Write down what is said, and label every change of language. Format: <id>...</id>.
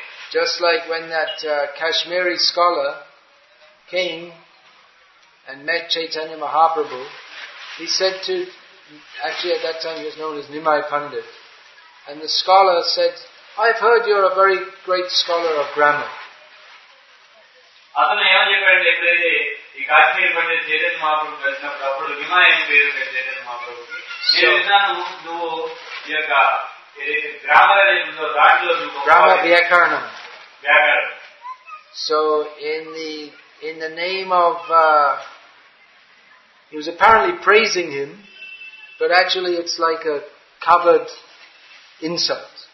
<en>Just like when that Kashmiri scholar came and met Chaitanya Mahaprabhu, he said to, actually at that time he was known as Nimai Pandit, and the scholar said, I've heard you're a very great scholar of grammar.</en> <te>అతను ఏమని చెప్పాడు ఎప్పుడైతే ఈ కాశ్మీర్ పండిత చైతన్య మహాప్రభు కలిసినప్పుడు అప్పుడు విమాయ పేరు చైతన్య మహాప్రభు నేను విన్నాను నువ్వు ఈ యొక్క గ్రామర్ అనేది ఉందో దాంట్లో నువ్వు గ్రామర్ వ్యాకరణం</te> <en>So in the name of he was apparently praising him, but actually it's like a covered insult.</en>